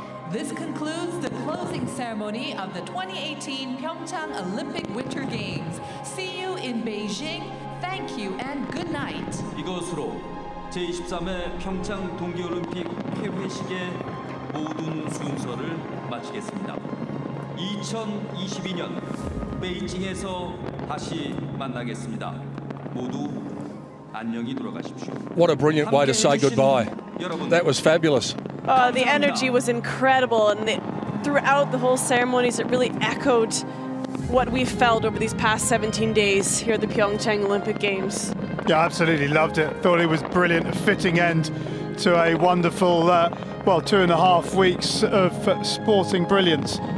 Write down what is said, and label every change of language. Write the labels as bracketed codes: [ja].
[en] This concludes the closing ceremony of the 2018 Pyeongchang Olympic Winter Games. See you in Beijing. Thank you and good night. [ko] 이것으로 제23회 평창 동계올림픽 폐회식의 모든 순서를 마치겠습니다. 2022년 베이징에서 다시 만나겠습니다. 모두 안녕히 돌아가십시오. [en] What a brilliant way to say goodbye. That was fabulous. The energy was incredible, and throughout the whole ceremonies, it really echoed what we felt over these past 17 days here at the Pyeongchang Olympic Games. Yeah, absolutely loved it. Thought it was brilliant, a fitting end to a wonderful, 2.5 weeks of sporting brilliance.